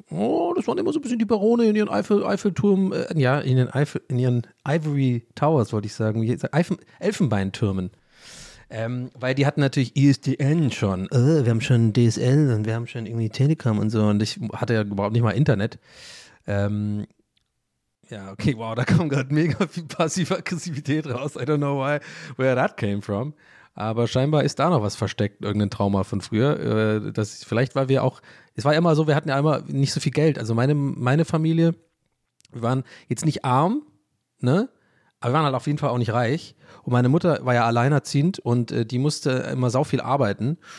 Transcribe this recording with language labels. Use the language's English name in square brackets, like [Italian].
[German] Oh, das waren immer so ein bisschen die Barone in ihren Eiffelturm, in ihren Ivory Towers, wollte ich sagen, Elfenbeintürmen. Weil die hatten natürlich ISDN schon. Wir haben schon DSL und wir haben schon irgendwie Telekom und so, und ich hatte ja überhaupt nicht mal Internet. Da kam gerade mega viel passive Aggressivität raus. [English] I don't know why, where that came from. [German] Aber scheinbar ist da noch was versteckt, irgendein Trauma von früher. Es war immer so, wir hatten ja einmal nicht so viel Geld. Also meine Familie, wir waren jetzt nicht arm, ne? Aber wir waren halt auf jeden Fall auch nicht reich. Und meine Mutter war ja alleinerziehend, und die musste immer sau viel arbeiten.